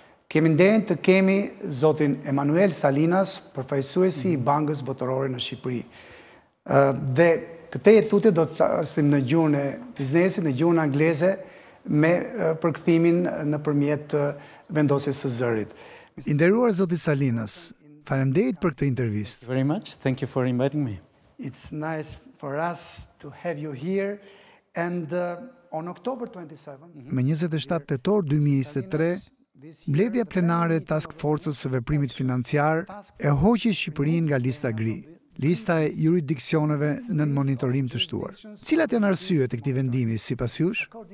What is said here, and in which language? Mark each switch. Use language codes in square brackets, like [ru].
[sq] Kemi nderin të kemi zotin Emanuel Salinas, përfaqësuesi i Bankës Botërore në Shqipëri. Dhe këtë etutje do të flasim në gjuhën e biznesit, në gjuhën angleze, me përkthimin në përmjet vendosjes së zërit. I nderuar zoti Salinas, faleminderit për këtë intervistë. [en] Very much. Thank you for inviting me. It's nice for us to have you here and on October 27, [sq] me 27 tetor 2023, mbledhja plenare e task forces së veprimit financiar e hoqi Shqipërinë nga lista gri, lista e juridiksioneve nën monitorim të shtuar. Cilat janë arsyet e këtij vendimi sipas jush?